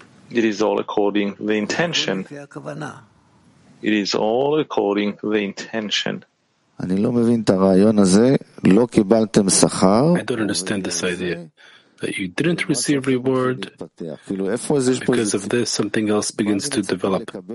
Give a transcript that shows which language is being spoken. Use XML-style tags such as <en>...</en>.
<en>It is all according to the intention. It is all according to the intention.</en> <he>אני לא מבין את הרעיון הזה, לא קיבלתם שכר.</he> <en>I don't understand this idea that you didn't receive reward. Because of this, something else begins to develop.</en>